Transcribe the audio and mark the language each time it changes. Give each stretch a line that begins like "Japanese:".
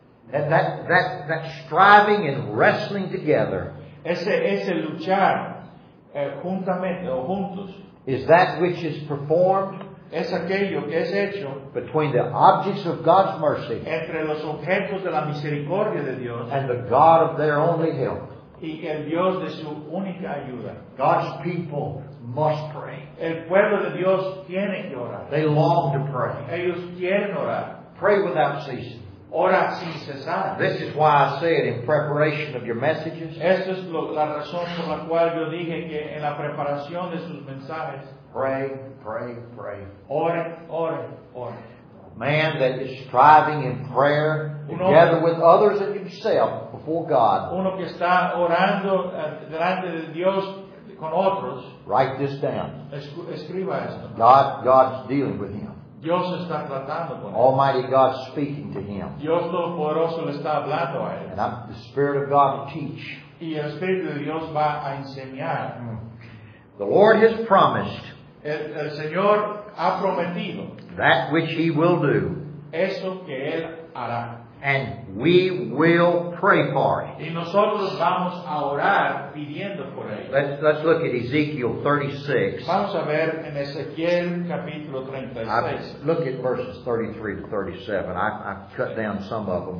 English: That striving and wrestling together.
Spanish: Ese luchar juntamente o juntos.
English: Is that which is performed?
Spanish: Es aquello que es hecho
English: between the objects of God's mercy,
Spanish: entre los objetos de la misericordia de Dios,
English: and the God of their only help,
Spanish: y el Dios de su única ayuda.
English: God's people must pray.
Spanish: El pueblo de Dios tiene que orar.
English: They long to pray.
Spanish: Ellos quieren orar.
English: Pray without ceasing.
Spanish: Ora sin cesar.
English: This is why I said in preparation of your messages.
Spanish: Esta es la razón por la cual yo dije que en la preparación de sus mensajes.
English: Pray, pray, pray.
Spanish: Ore, ore, ore.
English: Man that is striving in prayer together with others and himself before God.
Spanish: Uno que está orando delante de Dios con otros.
English: Write this down.
Spanish: Escriba esto.
English: God's dealing with him.
Spanish: Dios está tratando con él.
English: Almighty God speaking to him.
Spanish: Dios Todopoderoso le está hablando a él.
English: And I'm the Spirit of God to teach.
Spanish: Y el Espíritu de Dios va a enseñar.
English: The Lord has promised.
Spanish: El Señor ha prometido.
English: That which he will do.
Spanish: Eso que él hará.
English: And we will pray for it.
Spanish: Y nosotros vamos a orar pidiendo por ello.
English: Let's look at Ezekiel 36.
Spanish: Vamos a ver en Ezequiel capítulo 36.
English: Look at verses 33 to 37. I cut down some of them.